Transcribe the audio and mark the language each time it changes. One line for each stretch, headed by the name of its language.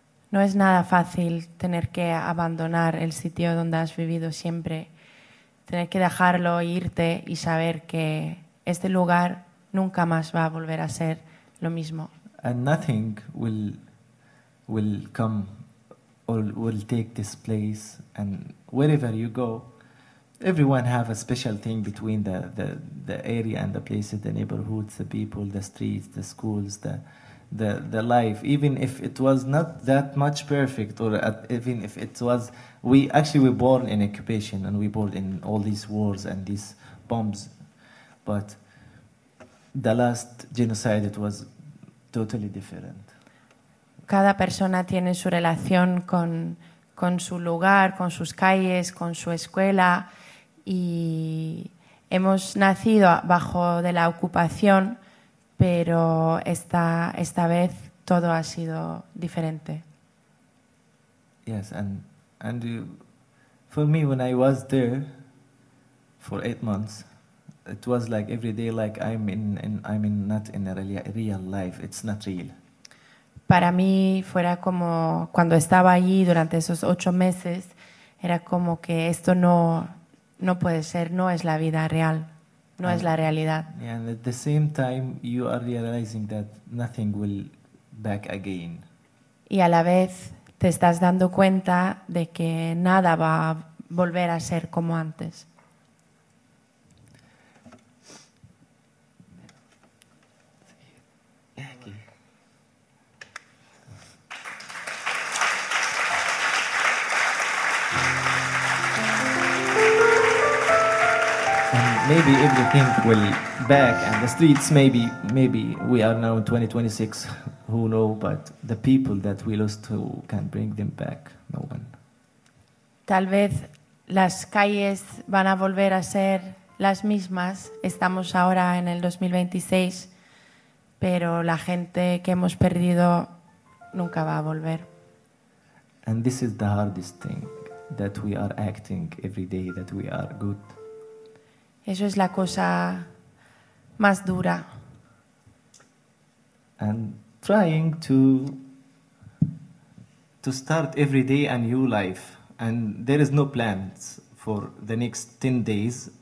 Spanish: No es nada fácil tener que abandonar el sitio donde has vivido siempre, tener que dejarlo, irte y saber que este lugar nunca más va a volver a ser lo mismo.
English: And nothing will come or will take this place, and wherever you go, everyone have a special thing between the area and the places, the neighborhoods, the people, the streets, the schools, the life. Even if it was not that much perfect, or even if it was, we actually were born in occupation and we born in all these wars and these bombs, but the last genocide it was totally different.
Spanish: Cada persona tiene su relación con su lugar, con sus calles, con su escuela, y hemos nacido bajo de la ocupación, pero esta vez todo ha sido diferente.
English: Yes, and you, for me when I was there for 8 months, it was like every day like I'm not in a real life. It's not real.
Spanish: Para mí fuera como cuando estaba allí durante esos 8 meses, era como que esto no puede ser, no es la vida real, no es la realidad.
English: And at the same time you are realizing that nothing will back again.
Spanish: Y a la vez te estás dando cuenta de que nada va a volver a ser como antes.
English: Maybe everything will back, and the streets, maybe we are now in 2026, who know, but the people that we lost to can bring them back, no one.
Spanish: Tal vez las calles van a volver a ser las mismas, estamos ahora en el 2026, pero la gente que hemos perdido nunca va a volver.
English: And this is the hardest thing, that we are acting every day, that we are good.
Spanish: Eso es la cosa más dura.
English: And trying to start every day a new life, and there is no plans for the next 10 days.